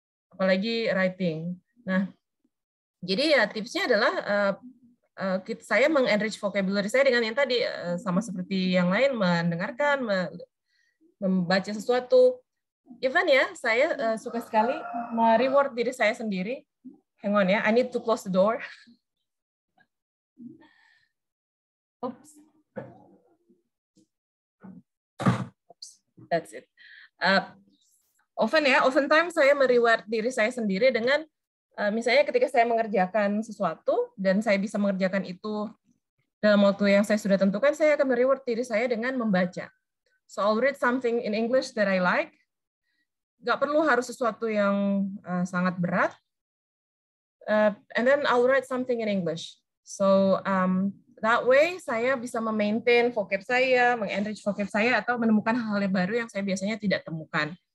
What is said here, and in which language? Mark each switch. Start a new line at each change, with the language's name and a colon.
Indonesian: Apalagi writing. Nah, jadi ya tipsnya adalah saya meng-enrich vocabulary saya dengan yang tadi, sama seperti yang lain, mendengarkan, membaca sesuatu. Even ya, saya suka sekali mereward diri saya sendiri.
English: Hang on ya, I need to close the door. Oops. That's it.
Indonesian: Oftentimes saya mereward diri saya sendiri dengan misalnya ketika saya mengerjakan sesuatu dan saya bisa mengerjakan itu dalam waktu yang saya sudah tentukan, saya akan mereward diri saya dengan membaca.
English: So I'll read something in English that I like.
Indonesian: Gak perlu harus sesuatu yang sangat berat.
English: And then I'll write something in English. So that way
Indonesian: saya bisa memaintain vocab saya, meng-enrich vocab saya, atau menemukan hal-hal yang baru yang saya biasanya tidak temukan.